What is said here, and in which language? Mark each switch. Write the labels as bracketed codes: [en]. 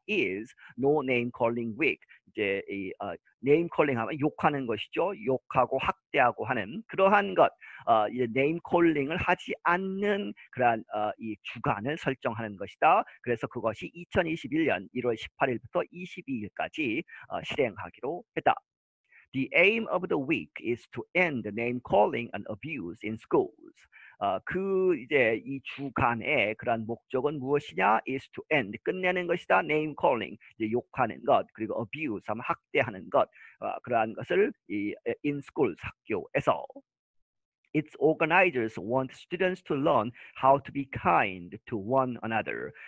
[en] Is no name calling week. [ko] 이제 이 name calling 하면 욕하는 것이죠. 욕하고 학대하고 하는 그러한 것. 이제 name calling을 하지 않는 그러한 이 주간을 설정하는 것이다. 그래서 그것이 2021년 1월 18일부터 22일까지 실행하기로 했다. [en] The aim of the week is to end name calling and abuse in schools. [ko] 그 이제 이 주간의 그런 목적은 무엇이냐? [en] Is to end, [ko] 끝내는 것이다. [en] Name calling, [ko] 이제 욕하는 것, 그리고 [en] abuse, [ko] 하면 학대하는 것, 그러한 것을 이 [en] in schools, [ko] 학교에서. [en] Its organizers want students to learn how to be kind to one another.